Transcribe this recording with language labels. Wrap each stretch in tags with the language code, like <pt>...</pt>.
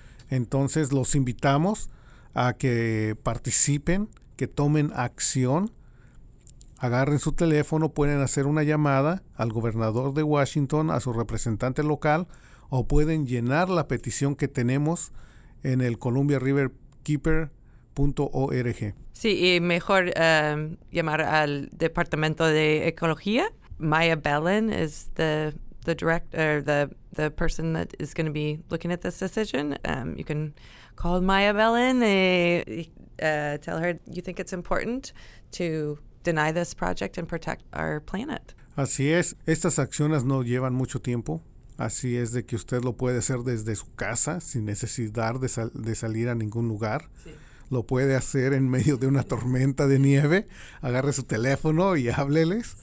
<es>Entonces los invitamos a que participen, que tomen acción, agarren su teléfono, pueden hacer una llamada al gobernador de Washington, a su representante local, o pueden llenar la petición que tenemos en el Columbia River Keeper .org. Sí, y mejor llamar al Departamento de Ecología.</es> <en>Maya Bellin is the director, the person that is going to be looking at this decision. You can call Maya Bellin and tell her you think it's important to deny this project and protect our planet.</en> <es>Así es. Estas acciones no llevan mucho tiempo. Así es de que usted lo puede hacer desde su casa sin necesidad de salir a ningún lugar. Sí. Lo puede hacer en medio de una tormenta de nieve, agarre su teléfono y hábleles.</es>